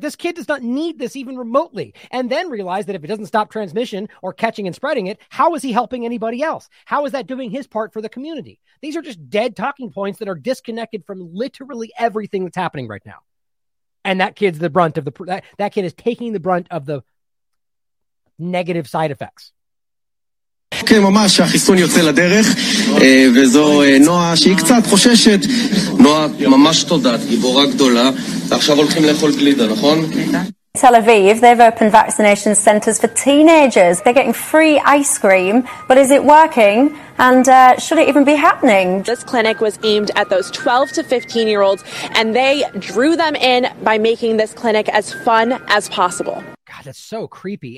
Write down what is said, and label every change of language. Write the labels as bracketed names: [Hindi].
[English] This kid does not need this even remotely. And then realize that if it doesn't stop transmission or catching and spreading it, how is he helping anybody else? How is that doing his part for the community? These are just dead talking points that are disconnected from literally everything that's happening right now. And that kid's the brunt of the, that kid is taking the brunt of the negative side effects. [Hebrew] כן, ממש, שהחיסון יוצא לדרך, וזו נועה שהיא קצת חוששת. נועה, ממש תודה, גיבורה גדולה. עכשיו הולכים לאכול גלידה, נכון? [English] Tel Aviv, they've opened vaccination centers for teenagers. They're getting free ice cream, but is it working? And should it even be happening? This clinic was aimed at those 12 to 15 year olds, and they drew them in by making this clinic as fun as possible. God, that's so creepy.